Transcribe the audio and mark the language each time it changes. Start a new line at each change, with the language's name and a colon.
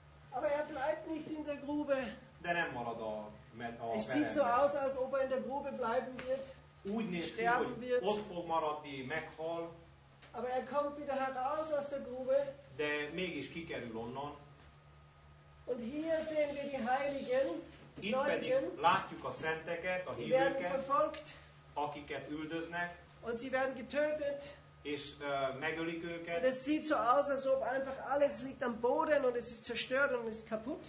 German: Aber er bleibt nicht in der Grube.
Hungarian: De nem marad a verembe.
German: Es sieht so aus, als ob er in der Grube bleiben wird.
Hungarian: Úgy néz ki, hogy ott fog maradni, meghal.
German: Aber er kommt wieder heraus aus der Grube.
Hungarian: De mégis kikerül onnan.
German: Und hier sehen wir die Heiligen.
Hungarian: Itt pedig látjuk a szenteket, a hívőket, akiket üldöznek.
German: Und sie werden getötet.
Hungarian: És megölik őket.
German: Und es sieht so aus, als ob einfach alles liegt am Boden und es ist zerstört und es ist kaputt.